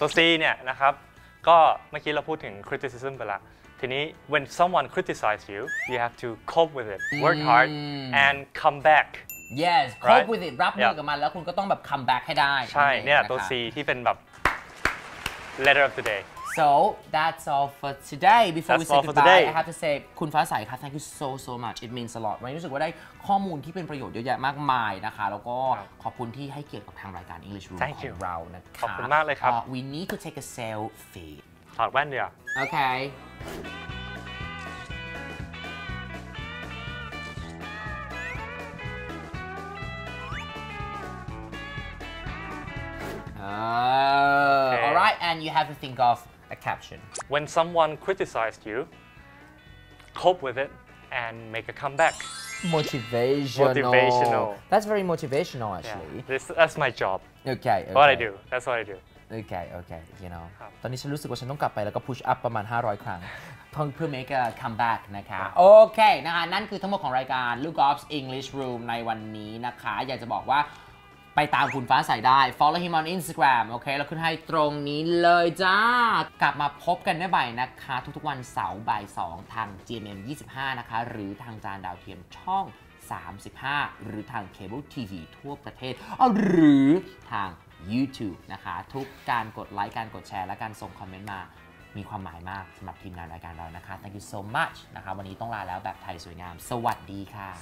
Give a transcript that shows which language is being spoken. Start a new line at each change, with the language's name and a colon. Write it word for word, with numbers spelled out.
Thai: ตัว C เนี่ยนะครับก็เมื่อกี้เราพูดถึง criticism ไปละทีนี้
English: when someone criticize you you have to cope with it work hard and come back yes cope with it
Thai: รับมือกับมันแล้วคุณก็ต้องแบบ come back ให้ได้ ใช่เนี่ยตัว C ที่เป็นแบบ letter of the day
English: So that's all for today. Before that's we say goodbye, today. I have to say, คุณฟ้าใสค่ะ thank you so so much. It means a lot.
Thai: วันนี้รู้สึกว่าได้ข้อมูลที่เป็นประโยชน์เยอะแยะมากมายนะคะแล้วก็ขอบคุณที่ให้เกียรติกับทางรายการ English Room ของเรานะคะ ขอบคุณมากเลยครับ
English: We need to take a selfie.
Thai: ถอดแว่นเดี๋ยว
English: Okay. Uh, okay. All right, and you have to think of. A caption. When someone criticized you, cope with it and make a comeback. Motivational. Motivational. That's very motivational, actually. Yeah. This, that's my job. Okay, okay. What I do. That's what I do. Okay, okay. You know.
Thai: ตอนนี้ฉันรู้สึกว่าฉันต้องกลับไปแล้วก็ push up ประมาณห้าร้อยครั้งเพิ่งเพื่อ make a comeback นะคะโอเคนะคะนั่นคือทั้งหมดของรายการ Look Off's English Room ในวันนี้นะคะอยากจะบอกว่า ไปตามคุณฟ้าใสได้
English: follow him on Instagram
Thai: โอเคแล้วขึ้นให้ตรงนี้เลยจ้ากลับมาพบกันได้ใหม่นะคะทุกๆวันเสาร์บ่ายสองทาง จี เอ็ม เอ็ม ยี่สิบห้านะคะหรือทางจานดาวเทียมช่องสามสิบห้าหรือทางเคเบิลทีวีทั่วประเทศหรือทาง YouTube นะคะทุกการกดไลค์การกดแชร์และการส่งคอมเมนต์มามีความหมายมากสำหรับทีมงานรายการเรานะคะ
English: Thank you so much
Thai: นะคะวันนี้ต้องลาแล้วแบบไทยสวยงามสวัสดีค่ะ